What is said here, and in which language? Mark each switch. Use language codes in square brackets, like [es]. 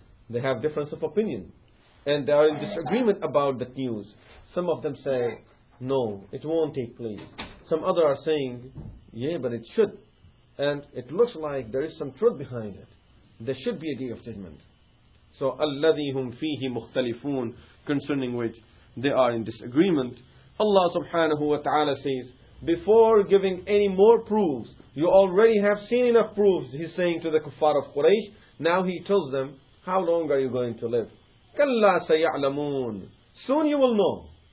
[en] They have difference of opinion. And they are in disagreement about that news. Some of them say, no, it won't take place. Some other are saying, yeah, but it should. And it looks like there is some truth behind it. There should be a day of judgment. [ar] So, الَّذِي هُمْ فِيهِ مُخْتَلِفُونَ. [en] Concerning which they are in disagreement. Allah subhanahu wa ta'ala says, before giving any more proofs, you already have seen enough proofs, he's saying to the kuffar of Quraysh. Now he tells them, how long are you going to live? [ar] كَلَّا سَيَعْلَمُونَ. [en] Soon you will know.